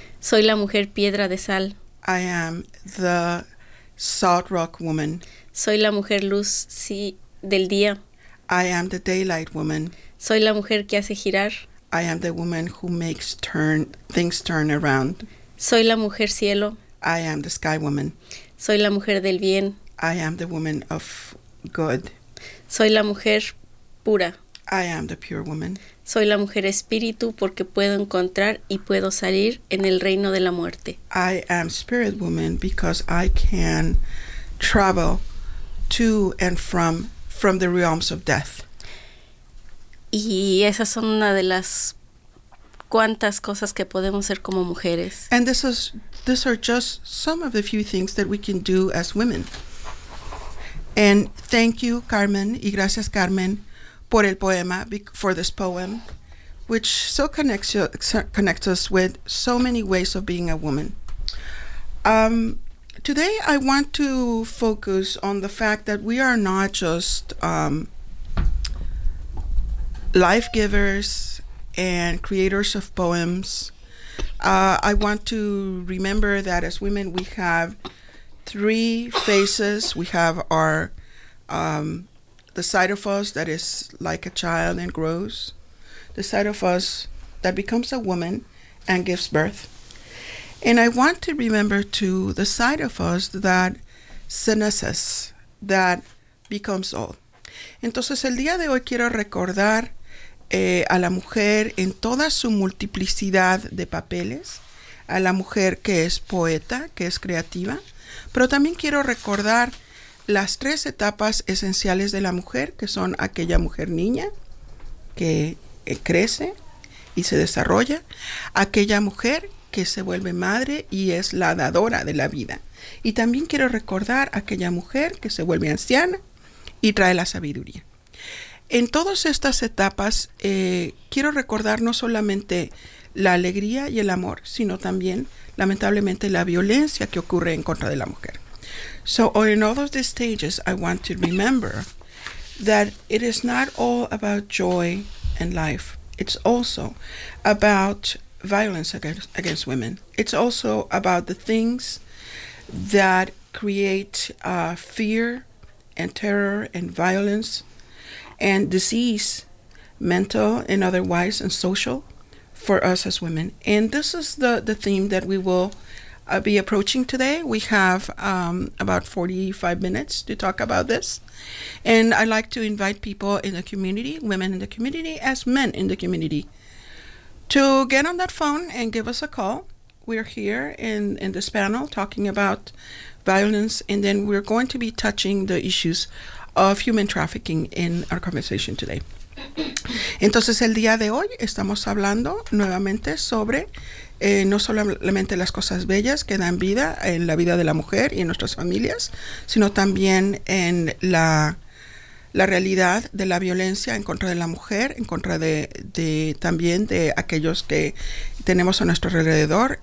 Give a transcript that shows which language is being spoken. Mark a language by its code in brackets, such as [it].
[es] Soy la mujer piedra de sal. [en] I am the salt rock woman. [es] Soy la mujer luz del día. [en] I am the daylight woman. [es] Soy la mujer que hace girar. [en] I am the woman who makes things turn around. [es] Soy la mujer cielo. [en] I am the sky woman. [es] Soy la mujer del bien. [en] I am the woman of good. [es] Soy la mujer pura. [en] I am the pure woman. [es] Soy la mujer espíritu porque puedo encontrar y puedo salir en el reino de la muerte. [en] I am spirit woman because I can travel to and from the realms of death. [es] Y esas son una de las cuantas cosas que podemos hacer como mujeres. [en] And these are just some of the few things that we can do as women. And thank you, Carmen, [es] y gracias, Carmen, por el poema, [en] for this poem, which so connects us with so many ways of being a woman. Today, I want to focus on the fact that we are not just life givers and creators of poems. I want to remember that as women, we have three faces. We have our the side of us that is like a child and grows, the side of us that becomes a woman and gives birth. And I want to remember to the side of us that senesces, that becomes old. [es] Entonces, el día de hoy quiero recordar a la mujer en toda su multiplicidad de papeles, a la mujer que es poeta, que es creativa, pero también quiero recordar las tres etapas esenciales de la mujer, que son aquella mujer niña que crece y se desarrolla, aquella mujer que se vuelve madre y es la dadora de la vida. Y también quiero recordar aquella mujer que se vuelve anciana y trae la sabiduría. En todas estas etapas, quiero recordar no solamente la alegría y el amor, sino también, lamentablemente, la violencia que ocurre en contra de la mujer. [en] So in all of these stages, I want to remember that it is not all about joy and life. It's also about violence against women. It's also about the things that create fear and terror and violence and disease, mental and otherwise, and social, for us as women. And this is the theme that we will be approaching today. We have about 45 minutes to talk about this. And I'd like to invite people in the community, women in the community, as men in the community, to get on that phone and give us a call. We're here in this panel talking about violence, and then we're going to be touching the issues of human trafficking in our conversation today. [es] Entonces, el día de hoy estamos hablando nuevamente sobre no solamente las cosas bellas que dan vida en la vida de la mujer y en nuestras familias, sino también en la realidad de la violencia en contra de la mujer, en contra de también de aquellos que tenemos a nuestro alrededor.